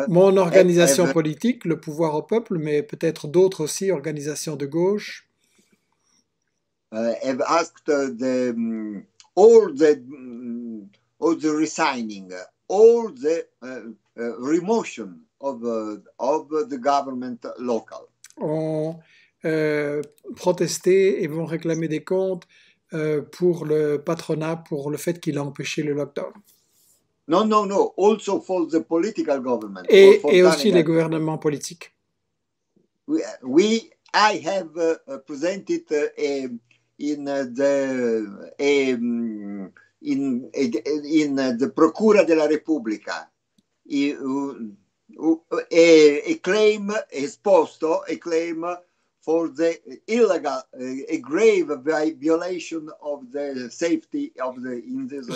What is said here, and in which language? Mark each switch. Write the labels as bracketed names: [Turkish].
[French] Mon organisation politique, le pouvoir au peuple, mais peut-être d'autres aussi, organisations de gauche. [English] Have asked the, all the resigning, all the remotion of the government local. [French] Ont protesté et vont réclamer des comptes pour le patronat, pour le fait qu'il a empêché le lockdown. Non, non, non. [English] Also for the political government. [French] Et, [English] for [French] et aussi les gouvernements politiques. [English] I have presented in the Procura della Repubblica a claim esposto, a claim for the illegal, a grave violation of the safety of the individual.